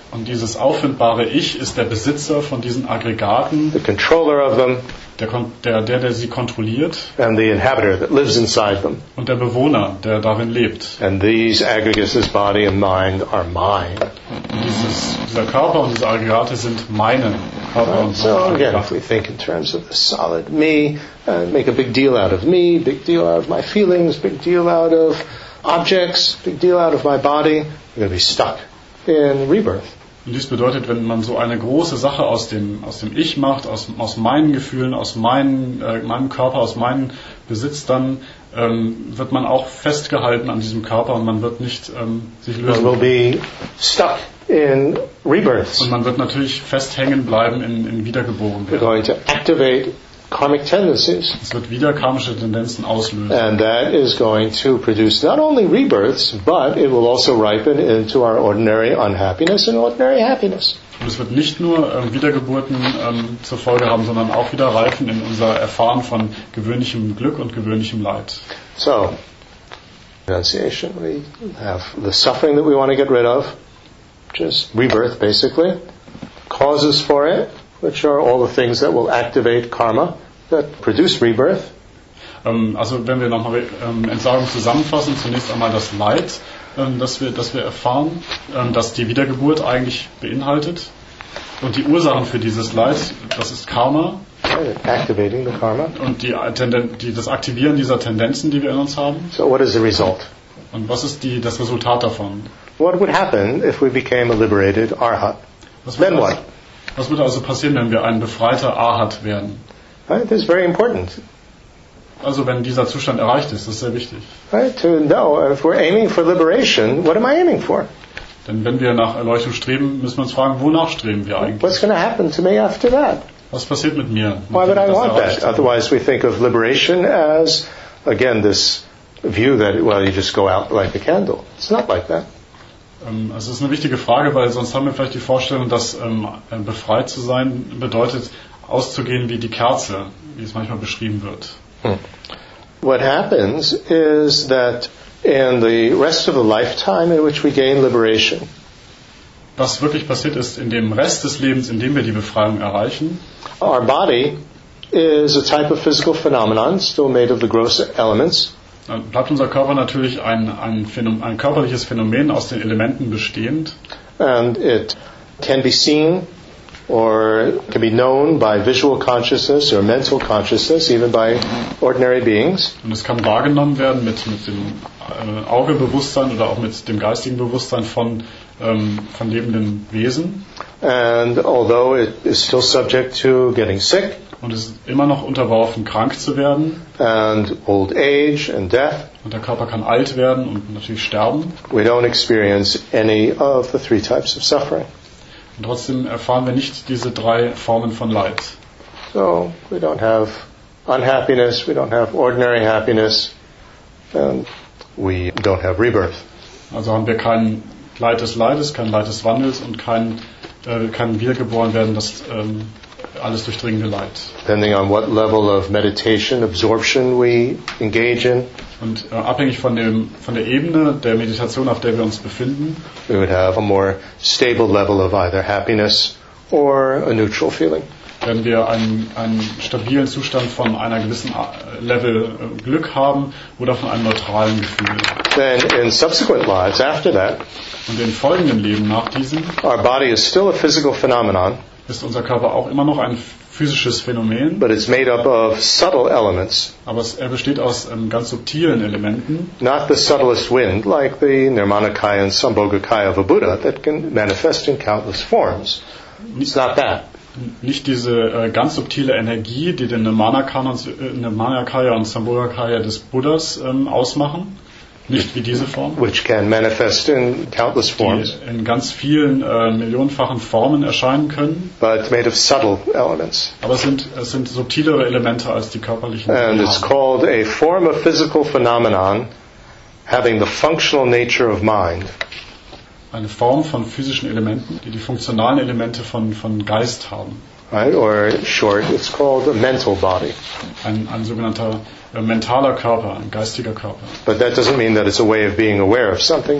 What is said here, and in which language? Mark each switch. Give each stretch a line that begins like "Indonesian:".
German: Und dieses auffindbare Ich ist der Besitzer von diesen Aggregaten.
English: The controller of them.
German: Der sie kontrolliert.
English: And the inhabitor that lives inside them.
German: Und der Bewohner, der darin lebt.
English: And these aggregates, this body and mind, are mine.
German: Und dieser Körper und diese Aggregate sind meine Körper und
English: so. So again, if we think in terms of the solid me, make a big deal out of me, big deal out of my feelings, big deal out of objects, big deal out of my body, we're going to be stuck in rebirth.
German: Und dies bedeutet, wenn man so eine große Sache aus dem Ich macht, aus meinen Gefühlen, aus meinem Körper, aus meinem Besitz, dann wird man auch festgehalten an diesem Körper und man wird nicht sich lösen.
English: We'll be stuck in rebirths.
German: Und man wird natürlich festhängen bleiben in Wiedergeboren werden.
English: We're going to activate karmic tendencies.
German: Es wird wieder karmische Tendenzen auslösen.
English: And that is going to produce not only rebirths, but it will also ripen into our ordinary unhappiness and ordinary happiness.
German: Und es wird nicht nur Wiedergeburten zur Folge haben, sondern auch wieder reifen in unser Erfahren von gewöhnlichem Glück und gewöhnlichem Leid.
English: So, renunciation. We have the suffering that we want to get rid of, which is rebirth, basically. Causes for it, which are all the things that will activate karma, that produce rebirth.
German: Also wenn wir nochmal Entsagung zusammenfassen, zunächst einmal das Leid, das wir erfahren, das die Wiedergeburt eigentlich beinhaltet. Und die Ursachen für dieses Leid, das ist Karma.
English: Activating the karma.
German: Und das Aktivieren dieser Tendenzen, die wir in uns haben.
English: So what is the result?
German: Und was ist das Resultat davon?
English: What would happen if we became a liberated arhat? Then what?
German: Was würde also passieren, wenn wir ein befreiter Arhat werden?
English: Right, this is very important.
German: Also wenn dieser Zustand erreicht ist, das ist sehr wichtig.
English: Right, to know if we're aiming for liberation, what am I aiming for?
German: Denn wenn wir nach Erleuchtung streben, müssen wir uns fragen, wonach streben wir eigentlich?
English: What's going to happen to me after that?
German: Was passiert mit mir?
English: Why would I want that? Otherwise we think of liberation as, again, this view that, well, you just go out like a candle. It's not like that.
German: Also es ist eine wichtige Frage, weil sonst haben wir vielleicht die Vorstellung, dass befreit zu sein bedeutet, auszugehen wie die Kerze, wie es manchmal beschrieben wird.
English: What happens is that in the rest of the lifetime in which we gain liberation.
German: Was wirklich passiert ist, in dem Rest des Lebens, in dem wir die Befreiung erreichen.
English: Our body is a type of physical phenomenon still made of the gross elements.
German: Bleibt unser Körper natürlich ein körperliches Phänomen aus den Elementen bestehend.
English: And it can be seen or can be known by visual consciousness or mental consciousness, even by ordinary beings.
German: Und es kann wahrgenommen werden mit dem Augebewusstsein oder auch mit dem geistigen Bewusstsein von lebenden Wesen.
English: And although it is still subject to getting sick,
German: und es ist immer noch unterworfen, krank zu werden.
English: And old age and death.
German: Und der Körper kann alt werden und natürlich sterben.
English: We don't experience any of the three types of suffering.
German: Und trotzdem erfahren wir nicht diese drei Formen von Leid.
English: So, we don't have unhappiness, we don't have ordinary happiness, and we don't have rebirth.
German: Also haben wir kein Leid des Leides, kein Leid des Wandels und kein wiedergeboren werden, das alles durchdringende Leid.
English: Depending on what level of meditation absorption we engage in.
German: Und abhängig von der Ebene der Meditation, auf der wir uns befinden,
English: we would have a more stable level of either happiness or a neutral feeling.
German: Werden wir einen stabilen Zustand von einer gewissen Level Glück haben oder von einem neutralen Gefühl.
English: Then in subsequent lives after that,
German: und in folgenden Leben nach diesem,
English: our body is still a physical phenomenon.
German: Ist unser Körper auch immer noch ein physisches Phänomen,
English: but it's made up of subtle elements.
German: Aber er besteht aus ganz subtilen Elementen.
English: Not the subtlest wind, like the Nirmanakaya and Sambhogakaya of a Buddha, that can manifest in countless forms. It's not that.
German: Nicht diese ganz subtile Energie, die den Nirmanakaya und Sambhogakaya des Buddhas ausmachen. Nicht wie diese Form,
English: which can manifest in countless forms,
German: die in ganz vielen millionenfachen Formen erscheinen können,
English: but made of subtle elements.
German: Aber es sind subtilere Elemente als die körperlichen.
English: And it's called a form of physical phenomenon having the functional nature of mind.
German: Eine Form von physischen Elementen, die die funktionalen Elemente von Geist haben.
English: Right, or short, it's called a mental body.
German: Ein sogenannter mentaler Körper, ein geistiger Körper.
English: But that doesn't mean that it's a way of being aware of something.